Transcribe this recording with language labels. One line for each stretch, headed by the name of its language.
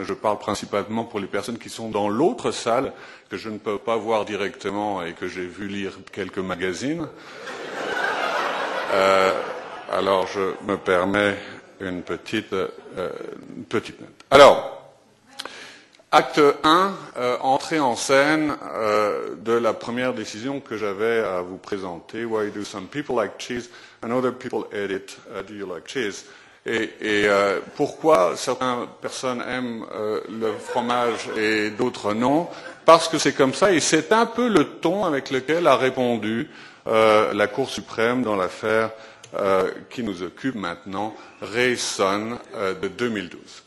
French: Et je parle principalement pour les personnes qui sont dans l'autre salle, que je ne peux pas voir directement et que j'ai vu lire quelques magazines. Alors, je me permets une petite note. Alors, acte 1, entrée en scène de la première décision que j'avais à vous présenter.
English: Why do some people like cheese and other people hate it? Do you like cheese?
French: Et pourquoi certaines personnes aiment le fromage et d'autres non? Parce que c'est comme ça et c'est un peu le ton avec lequel a répondu la Cour suprême dans l'affaire qui nous occupe maintenant, Rayson de 2012.